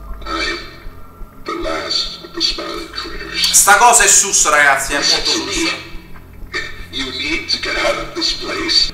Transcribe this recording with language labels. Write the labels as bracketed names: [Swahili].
[English] I am the last of the smiling critters. [Italian] Sta cosa è sus, ragazzi, è molto sus. [English] You need to get out of this place.